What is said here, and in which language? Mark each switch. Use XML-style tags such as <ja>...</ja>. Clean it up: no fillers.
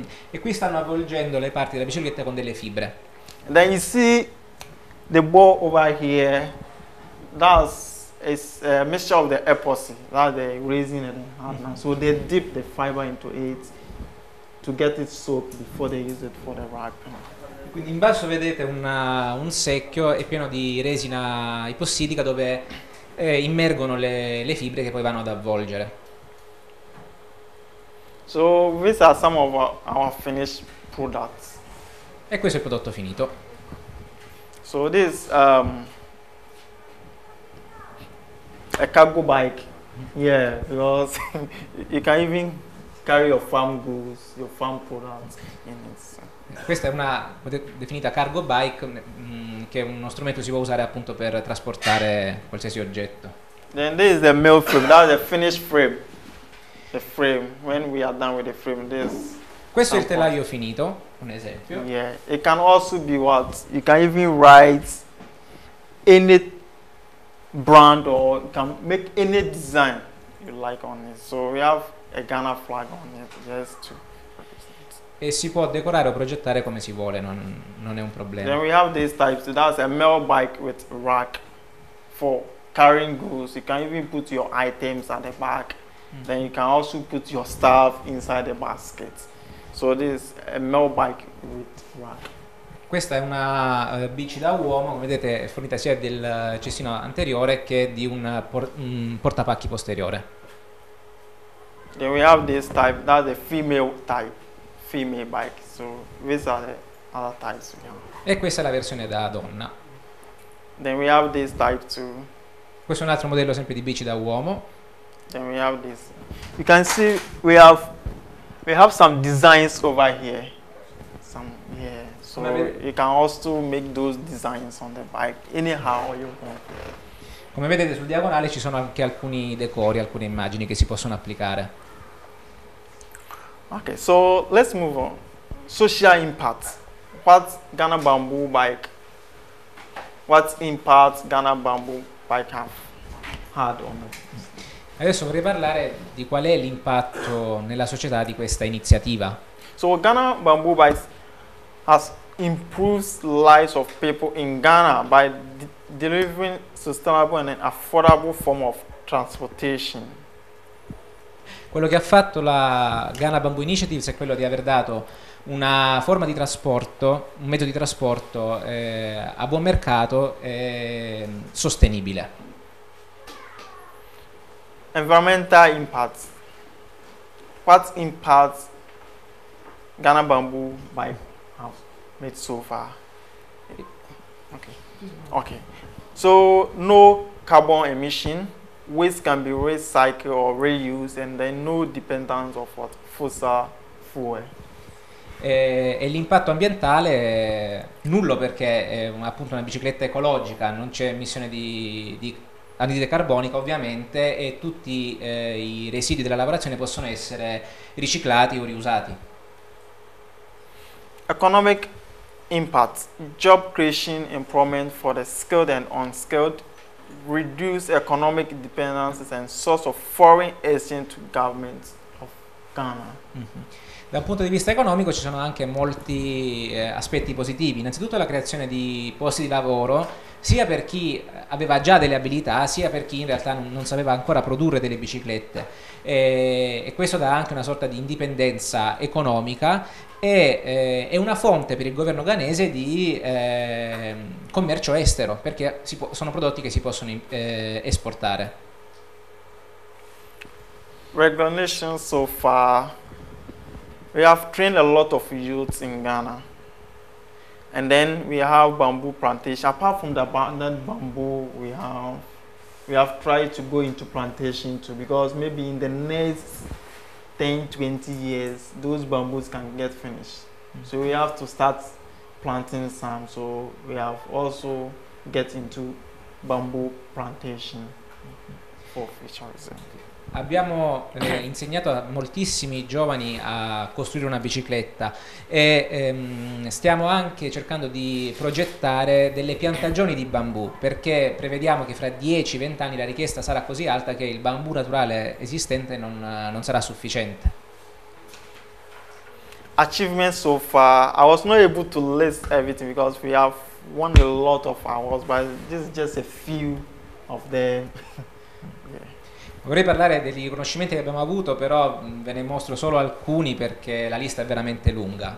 <it>E qui stanno avvolgendo le parti della bicicletta con delle fibre.</it> <en>And then you see the ball over here, that's a mixture of the epoxy, that's the resin and hardener. So they dip the fiber into it to get it soaked before they use it for the wrapping.</en> <it>Quindi in basso vedete un secchio è pieno di resina epossidica dove immergono le fibre che poi vanno ad avvolgere.</it> <en>So these are some of our finished products.</en> <it>E questo è il prodotto finito.</it> <en>So this a cargo bike, yeah, because you can even carry your farm goods, your farm products in it.</en> <it>Questa è una definita cargo bike, che è uno strumento si può usare appunto per trasportare qualsiasi oggetto.</it> <en>Then this is the mill frame, that's the finished frame. The frame, when we are done with the frame, this.</en> <it>Questo sample. È il telaio finito, un esempio.</it> <en>Yeah, it can also be what you can even write any brand or you can make any design you like on it. So we have a Ghana flag on it, just to.</en> <it>E si può decorare o progettare come si vuole, non è un problema.</it> <en>Then we have these types. That's a mail bike with rack for carrying goods. You can even put your items at the back. Then you can also put your stuff inside the basket. So this is a mail bike with rack.</en> <it>Questa è una bici da uomo, come vedete, è fornita sia del cestino anteriore che di un portapacchi posteriore.</it> <en>Then we have this type. That's a female type. Female bike, so these are the other types we have.</en> <it>E questa è la versione da donna.</it> <en>Then we have this type too.</en> <it>Questo è un altro modello sempre di bici da uomo.</it> <en>Then we have this. You can see we have some designs over here. Some here. So you can also make those designs on the bike anyhow you want.</en> <it>Come vedete sul diagonale ci sono anche alcuni decori, alcune immagini che si possono applicare.</it> <en>Okay, so let's move on. Social impact. What Ghana Bamboo Bike, what impact Ghana Bamboo Bike have had on it?</en> <it>Adesso vorrei parlare di qual è l'impatto nella società di questa iniziativa.</it> <en>So Ghana Bamboo Bike has improved lives of people in Ghana by delivering sustainable and affordable form of transportation.</en> <it>Quello che ha fatto la Ghana Bamboo Initiatives è quello di aver dato una forma di trasporto, un metodo di trasporto a buon mercato e sostenibile.</it> <en>Environmental impacts. What impacts Ghana Bamboo by have made so far? Okay. So no carbon emission. waste can be recycled or reused, and then no dependence of what fossil fuel.</en> <it>E l'impatto ambientale è nullo, perché è appunto una bicicletta ecologica, non c'è emissione di anidride carbonica ovviamente, e tutti i residui della lavorazione possono essere riciclati o riusati.</it> <en>Economic impact, job creation, employment for the skilled and unskilled, reduce economic dependencies and source of foreign exchange to government of Ghana.</en> <it>Da un punto di vista economico ci sono anche molti aspetti positivi. Innanzitutto la creazione di posti di lavoro, sia per chi aveva già delle abilità, sia per chi in realtà non sapeva ancora produrre delle biciclette. E questo dà anche una sorta di indipendenza economica e è una fonte per il governo ghanese di commercio estero, perché sono prodotti che si possono esportare.</it> <en>Recognition so far. We have trained a lot of youths in Ghana, and then we have bamboo plantation. Apart from the abandoned bamboo, we have tried to go into plantation too, because maybe in the next 10-20 years those bamboos can get finished. Mm-hmm. So we have to start planting some, so we have also get into bamboo plantation for future example.</en> <it>Abbiamo insegnato a moltissimi giovani a costruire una bicicletta e stiamo anche cercando di progettare delle piantagioni di bambù, perché prevediamo che fra 10-20 anni la richiesta sarà così alta che il bambù naturale esistente non sarà sufficiente.</it> <en>Achievement so far, I was not able to list everything because we have won a lot of awards, but this is just a few of them.</en> <it>Vorrei parlare degli riconoscimenti che abbiamo avuto, però ve ne mostro solo alcuni perché la lista è veramente lunga.</it>